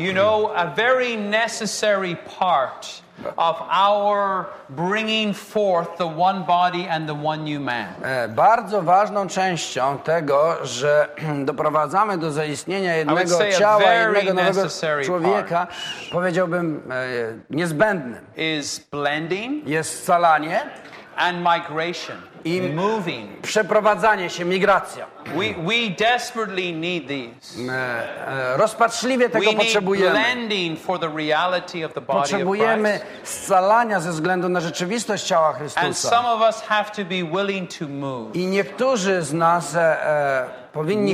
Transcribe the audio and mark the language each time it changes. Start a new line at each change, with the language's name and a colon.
English: You know, a very necessary part of our bringing forth the one body and the one new man.
Polish: Bardzo ważną częścią tego, że doprowadzamy do zaistnienia jednego ciała, jednego nowego człowieka, powiedziałbym niezbędnym,
English: is blending,
Polish: jest scalanie,
English: and migration.
Polish: I
English: moving.
Polish: Przeprowadzanie się, migracja.
English: We desperately need these.
Polish: Rozpaczliwie tego potrzebujemy.
English: Lending for the reality of the body of Christ.
Polish: Potrzebujemy scalania ze względu na rzeczywistość ciała Chrystusa.
English: And some of us have to be willing to move.
Polish: I niektórzy z nas powinni